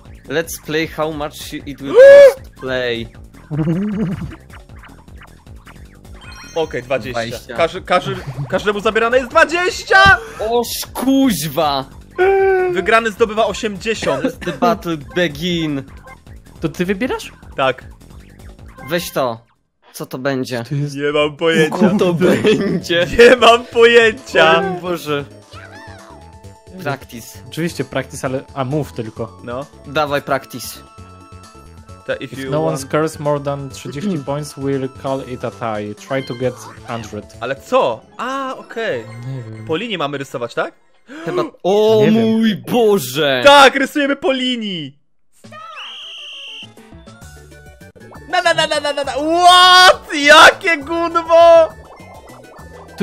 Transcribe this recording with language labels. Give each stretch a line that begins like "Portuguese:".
English: Let's play how much it will cost to play.
Polish: Okej, 20. 20. Każdemu zabierane jest 20! Oż kuźwa! Wygrany zdobywa 80.
English: The battle begin.
Polish: To ty wybierasz? Tak. Weź to. Co to będzie? To jest... Nie mam pojęcia. Co to będzie? Nie mam pojęcia! O mój Boże. Practice. Oczywiście practice, ale... A move tylko. No. Dawaj practice.
English: If no one scores more than 30 points, we'll call it a tie. Try to get 100.
Polish: Ale co? A, okej. Okay. Po linii mamy rysować, tak? Chyba... O mój Boże! Tak, rysujemy po linii!
English: What?
Polish: Jakie gunwo! To